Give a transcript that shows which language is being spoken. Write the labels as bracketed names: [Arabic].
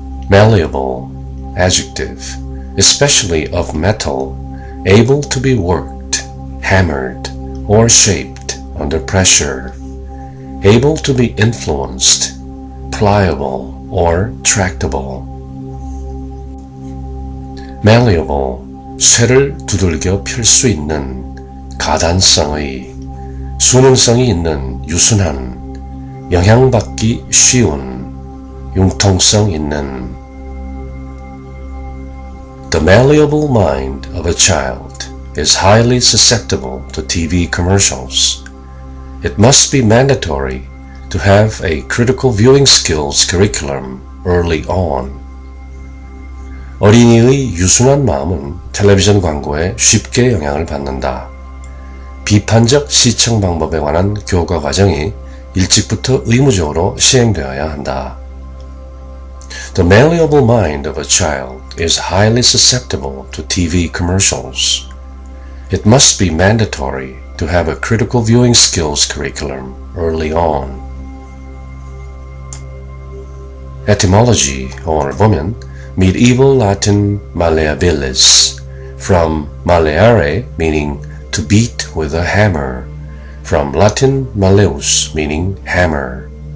[English] Malleable, adjective, especially of metal, able to be worked, hammered or shaped under pressure, able to be influenced, pliable or tractable. [Korean] Malleable, 쇠를 두들겨 펼 수 있는, 가단성의, 수능성이 있는, 유순한, 영향받기 쉬운, 융통성 있는. [English] The malleable mind of a child is highly susceptible to TV commercials. It must be mandatory to have a critical viewing skills curriculum early on. [Korean] 어린이의 유순한 마음은 텔레비전 광고에 쉽게 영향을 받는다. 비판적 시청 방법에 관한 교과 과정이 일찍부터 의무적으로 시행되어야 한다. [English] The malleable mind of a child is highly susceptible to TV commercials. It must be mandatory to have a critical viewing skills curriculum early on. Etymology, [Korean] 영어를 보면, [English] medieval Latin malleabilis, from malleare, meaning to beat with a hammer, from Latin malleus, meaning hammer.